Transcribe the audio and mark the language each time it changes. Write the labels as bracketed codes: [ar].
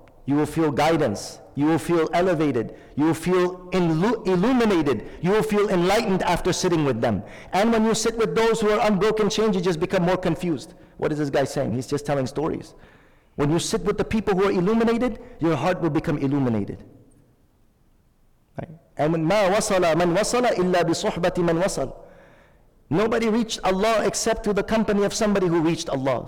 [en] You will feel guidance. You will feel elevated. You will feel illuminated. You will feel enlightened after sitting with them. And when you sit with those who are unbroken chains, you just become more confused. What is this guy saying? He's just telling stories. When you sit with the people who are illuminated, your heart will become illuminated. Right? [ar] And ما وصل من وصل إلا بصحبة من وصل. [en] Nobody reached Allah except through the company of somebody who reached Allah.